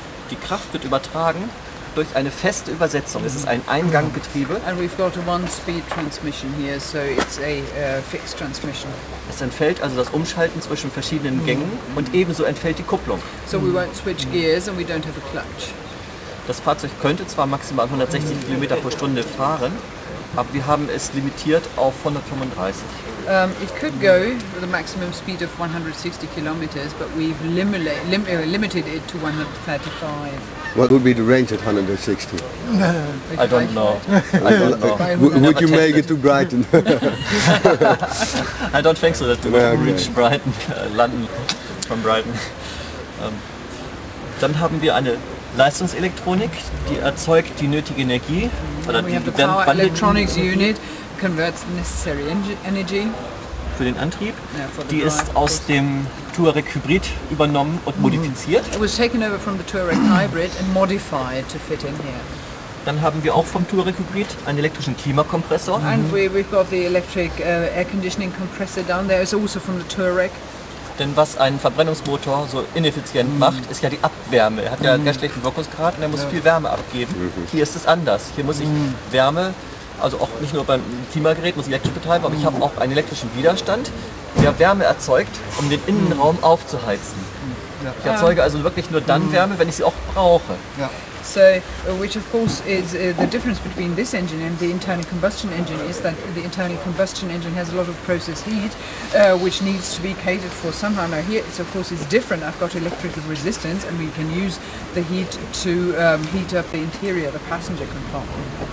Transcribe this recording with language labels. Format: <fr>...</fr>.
<de>Die Kraft wird übertragen durch eine feste Übersetzung. Es ist ein Einganggetriebe.</de> <en>And we've got a one-speed transmission here, so it's a fixed transmission.</en> <de>Es entfällt also das Umschalten zwischen verschiedenen Gängen und ebenso entfällt die Kupplung.</de> <en>So we won't switch gears and we don't have a clutch.</en> <de>Das Fahrzeug könnte zwar maximal 160 km pro Stunde fahren, aber wir haben es limitiert auf 135.</de> <en>It could go with a maximum speed of 160 km, but we've limited it to 135. What would be the range at 160? No, I don't know. I don't know. Would you make it to Brighton? I don't think so that we would reach Brighton, London from Brighton.</en> <de>Dann haben wir eine Leistungselektronik, die erzeugt die nötige Energie.</de> <en>Oder we have the power electronics unit, converts the necessary energy.</en> <de>Für den Antrieb. Die ist aus dem Touareg Hybrid übernommen und modifiziert.</de> <en>It was taken over from the Touareg Hybrid and modified to fit in here.</en> <de>Dann haben wir auch vom Touareg Hybrid einen elektrischen Klimakompressor.</de> <en>And we've got the electric air conditioning compressor down there. It's also from the Touareg.</en> <de>Denn was einen Verbrennungsmotor so ineffizient macht, ist ja die Abwärme. Er hat ja einen ganz schlechten Wirkungsgrad und er muss viel Wärme abgeben. Hier ist es anders. Hier muss ich Wärme, also auch nicht nur beim Klimagerät, muss ich elektrisch betreiben, aber ich habe auch einen elektrischen Widerstand, der Wärme erzeugt, um den Innenraum aufzuheizen. Ich erzeuge also wirklich nur dann Wärme, wenn ich sie auch brauche.</de> <en>So, which of course is the difference between this engine and the internal combustion engine is that the internal combustion engine has a lot of process heat, which needs to be catered for somehow. Now here, it's, of course, it's different. I've got electrical resistance and we can use the heat to heat up the interior, the passenger compartment.</en>